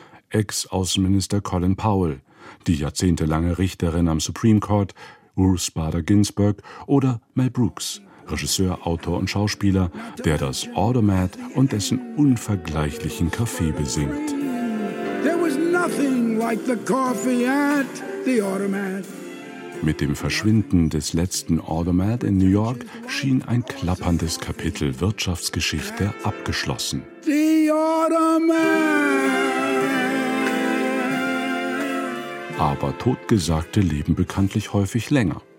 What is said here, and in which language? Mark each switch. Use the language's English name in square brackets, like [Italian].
[German] Ex-Außenminister Colin Powell, die jahrzehntelange Richterin am Supreme Court, Ruth Bader Ginsburg oder Mel Brooks, Regisseur, Autor und Schauspieler, der das Automat und dessen unvergleichlichen Kaffee besingt. [English] Nothing like the coffee at the Automat. [German] Mit dem Verschwinden des letzten Automat in New York schien ein klapperndes Kapitel Wirtschaftsgeschichte abgeschlossen. [English] The Automat. [German] Aber Totgesagte leben bekanntlich häufig länger.